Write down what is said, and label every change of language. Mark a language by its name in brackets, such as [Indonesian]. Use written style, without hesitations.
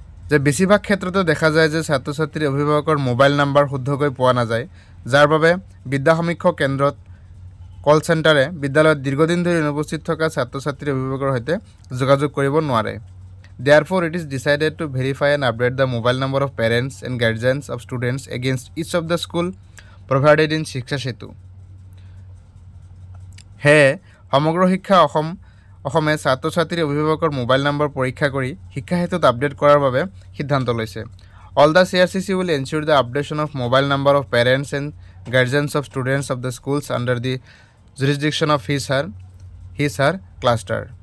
[Assamese] যে বেছিভাগ ক্ষেত্ৰতে দেখা যায় যে ছাত্ৰ ছাত্ৰীৰ অভিভাৱকৰ মোবাইল নাম্বাৰ শুদ্ধকৈ পোৱা নাযায়, যাৰ বাবে বিদ্যা সমীক্ষা কেন্দ্ৰত কল চেণ্টাৰে বিদ্যালয়ত দীৰ্ঘদিন ধৰি অনুপস্থিত থকা ছাত্ৰ ছাত্ৰীৰ অভিভাৱকৰ সৈতে যোগাযোগ কৰিব নোৱাৰে। [English] Therefore, it is decided to verify and update the mobile number of parents and guardians of students against each of the school provided in Shiksha Setu. [Assamese] হেয়ে সমগ্ৰ শিক্ষা অসমে ছাত্ৰ ছাত্ৰীৰ অভিভাৱকৰ মোবাইল নম্বৰ পৰীক্ষা কৰি শিক্ষা সেতুত আপডেট কৰাৰ বাবে সিদ্ধান্ত লৈছে। [English] All the CRCC will ensure the updation of mobile number of parents and guardians of students of the schools under the jurisdiction of his or cluster.